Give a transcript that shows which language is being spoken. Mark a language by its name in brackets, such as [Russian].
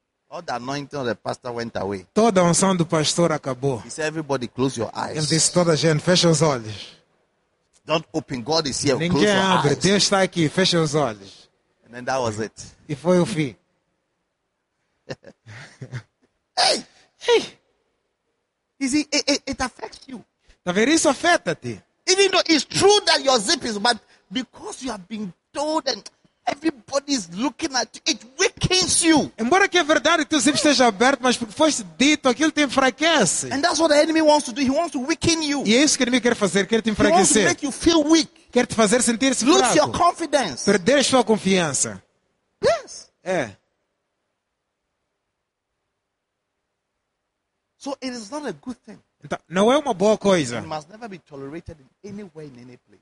[English] All the anointing of the pastor went away. [Portuguese] Toda a unção do pastor acabou. [English] He said, everybody close your eyes. [Portuguese] Ele disse, toda a gente, fecha os olhos. [English] Don't open, God is here, [Portuguese] ninguém [English] close [Portuguese] abre, [English] your eyes. [Portuguese] Deus está aqui, fecha os olhos. [English] And then that was it. [Portuguese] E foi o fim. Hey! Hey! [English] You see, it affects you. [Portuguese] Tá vendo, isso afeta-te. [English] Even though it's true that your zip is, but because you have been told and everybody is looking at you, it weakens you. [Portuguese] Embora que é verdade teu zip esteja aberto, mas porque foste dito, aquilo te enfraquece. [English] And that's what the enemy wants to do. He wants to weaken you. [Portuguese] E é isso que o inimigo quer fazer, quer te enfraquecer. [English] He wants to make you feel weak. [Portuguese] Quer te fazer sentir-se fraco. [English] Lose your confidence. [Portuguese] Perder sua confiança. [English] Yes. [Portuguese] É. [English] So it is not a good thing. [Portuguese] Então, não é uma boa coisa. [English] It must never be tolerated in any way, in any place.